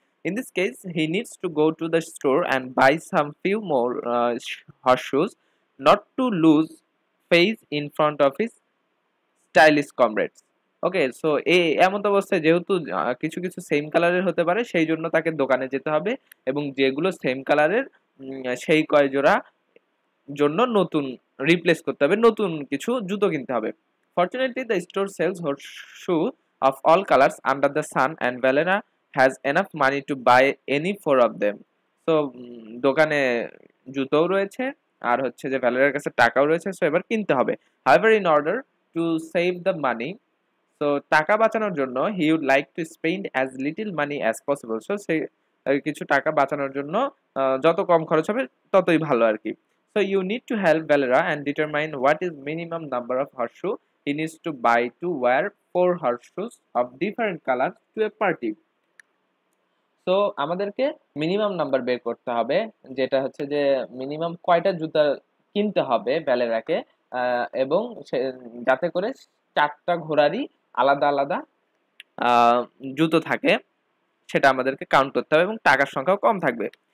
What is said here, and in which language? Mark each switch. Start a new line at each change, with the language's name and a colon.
English: In this case he needs to go to the store and buy some few more horse shoes not to lose face in front of his stylish comrades.
Bangla: Okay, so এই এমন অবস্থায় যেহেতু কিছু কিছু same কালারের হতে পারে, সেই জন্য তাকে দোকানে যেতে হবে এবং যেগুলো সেম কালারের সেই কয় জোড়া জন্য নতুন রিপ্লেস করতে হবে, নতুন কিছু জুতো কিনতে হবে।
English: Fortunately, the store sells horseshoe of all colors under the sun and Valera has enough money to buy any four of them.
Bangla: So, দোকানে জুতোও রয়েছে আর হচ্ছে যে ভ্যালেরার কাছে টাকাও রয়েছে, সো এবার কিনতে হবে।
English: However, in order to save the money, so
Bangla: টাকা বাঁচানোর জন্য
English: he would like to spend as little money as possible.
Bangla: So, সে কিছু টাকা বাঁচানোর জন্য যত কম খরচ হবে ততই ভালো আর কি।
English: So, you need to help Valera and determine what is minimum number of horseshoe he needs to buy to wear four horseshoes of different colors to a party.
Bangla: So, আমাদেরকে মিনিমাম নাম্বার বের করতে হবে, যেটা হচ্ছে যে minimum কয়টা জুতা কিনতে হবে ভ্যালেরাকে, এবং সে যাতে করে চারটা ঘোড়ারই আলাদা আলাদা জুতো থাকে সেটা আমাদেরকে কাউন্ট করতে হবে, এবং টাকার সংখ্যাও কম থাকবে।